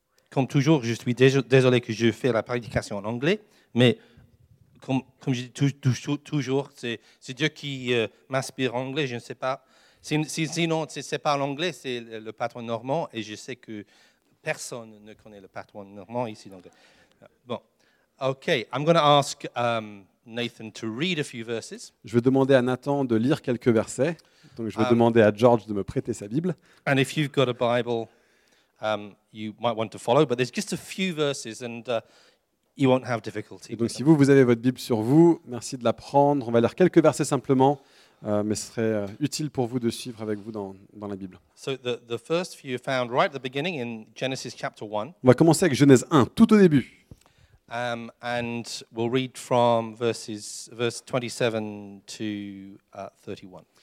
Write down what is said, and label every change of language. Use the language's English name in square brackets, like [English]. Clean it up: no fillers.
[French] Comme toujours, je suis désolé que je fais la prédication en anglais, mais comme je dis toujours, c'est Dieu qui m'inspire en anglais, je ne sais pas. Sinon, si c'est pas l'anglais, c'est le patois normand et je sais que personne ne connaît le patois normand ici. Donc, bon, ok. [English] I'm going to ask Nathan to read a few verses. [French] Je vais demander à Nathan de lire quelques versets. Donc, je vais demander à George de me prêter sa Bible. [English] And if you've got a Bible, you might want to follow. But there's just a few verses, and you won't have difficulty. [French] Et donc, si vous avez votre Bible sur vous, merci de la prendre. On va lire quelques versets simplement. Mais ce serait utile pour vous de suivre avec vous dans la Bible. On va commencer avec Genèse 1, tout au début. [English] And we'll read from verse 27 to 31.